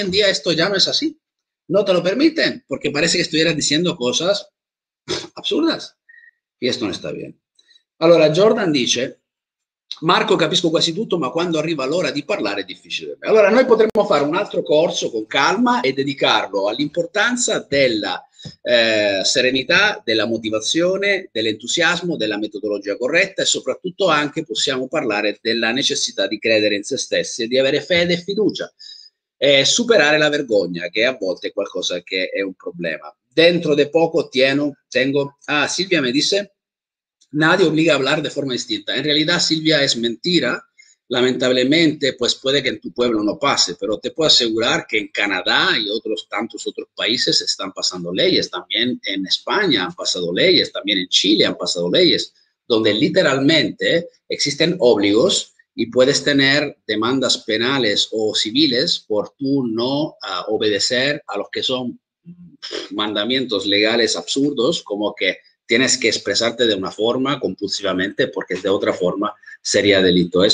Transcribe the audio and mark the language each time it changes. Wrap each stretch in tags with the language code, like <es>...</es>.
<es>Hoy en día esto ya no es así. No te lo permiten porque parece que estuvieras diciendo cosas absurdas y esto no está bien.</es> <it>Allora, Jordan dice, Marco, capisco quasi tutto, ma quando arriva l'ora di parlare è difficile. Allora, noi potremmo fare un altro corso con calma e dedicarlo all'importanza della serenità, della motivazione, dell'entusiasmo, della metodologia corretta e soprattutto anche possiamo parlare della necessità di credere in se stessi e di avere fede e fiducia e superare la vergogna, che a volte è qualcosa che è un problema.</it> <es>Dentro de poco tengo.</es> <it>Ah, Silvia mi dice,</it> <es>nadie obliga a hablar de forma distinta. En realidad, Silvia, es mentira. Lamentablemente, pues puede que en tu pueblo no pase, pero te puedo asegurar que en Canadá y otros tantos otros países están pasando leyes. También en España han pasado leyes, también en Chile han pasado leyes, donde literalmente existen óbligos y puedes tener demandas penales o civiles por tú no obedecer a los que son mandamientos legales absurdos, como que tienes que expresarte de una forma compulsivamente, porque de otra forma sería delito.</es>